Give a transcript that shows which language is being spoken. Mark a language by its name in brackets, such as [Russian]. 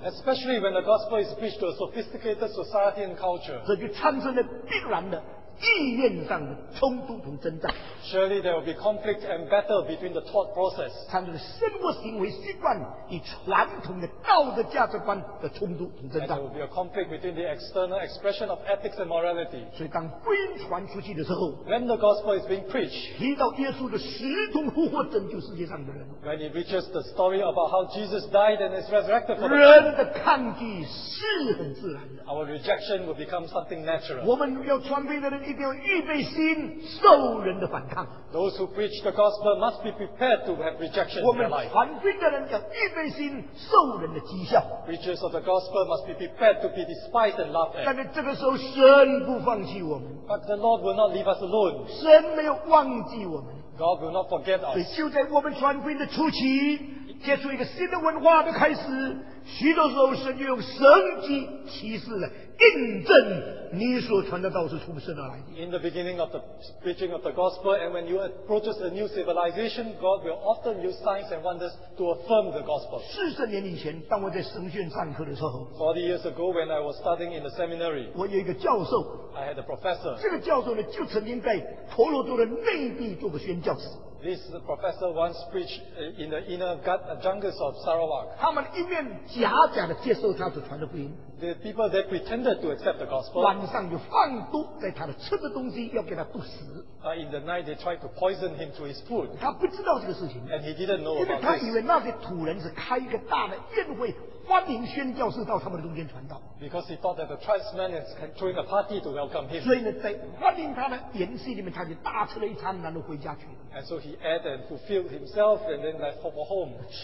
[English] Especially when the gospel is preached to a sophisticated society and culture. [Chinese] 这就产生了必然的意念上的冲突和争战。 [English] Surely there will be conflict and battle between the thought process. [Chinese] 产生了生活行为习惯与传统的道德价值观的冲突和争战。 [English] There will be a conflict between the external expression of ethics and morality. [Chinese] 所以当福音传出去的时候， [English] When the gospel is being preached, [Chinese] 提到耶稣的死同复活拯救世界上的人， [English] When it reaches the story about how Jesus died and is resurrected for the people, [Chinese] 人的抗拒是很自然的。 [English] Our rejection will become something natural. [Chinese] 我们要传福音的人一定要预备心受人的反抗。 [English] Those who preach the gospel must be prepared to have rejection in their life. [Chinese] 我们传福音的人要预备心受人的讥笑。 [English] Preachers of the gospel must be prepared to be despised and laughed at. [Chinese] 但是这个时候神不放弃我们。 [English] But the Lord will not leave us alone. [Chinese] 神没有忘记我们。 [English] God will not forget us. [Chinese] 所以就在我们传福音的初期， 接触一个新的文化的开始， 许多时候神就用神迹奇事来印证你所传的道是从神而来的。 [English] In the beginning of the preaching of the gospel and when you approach a new civilization, God will often use signs and wonders to affirm the gospel. [Chinese] 40年以前当我在神学院上课的时候， [English] 40 years ago when I was studying in the seminary, [Chinese] 我有一个教授， [English] I had a professor. [Chinese] 这个教授呢就曾经在婆罗多的内地做过宣教士。 [English] This professor once preached in the inner jungles of Sarawak. [Chinese] 他们一面假假地接受他所传的福音。 [English] The people that pretended to accept the gospel, [Chinese] 晚上有放毒在他的吃的东西，要给他毒死。 [English] In the night, they tried to poison him to his food. [Chinese] 他不知道这个事情。 [English] And he didn't know about this. [Chinese] 因为他以为那些土人是开一个大的宴会，欢迎宣教士到他们的中间传道。 [English] Because he thought that the tribesman is throwing a party to welcome him. [Chinese] 所以呢，在欢迎他的宴席里面，他就大吃了一餐，然后回家去。 [English] And so he ate and fulfilled himself, and then left for home.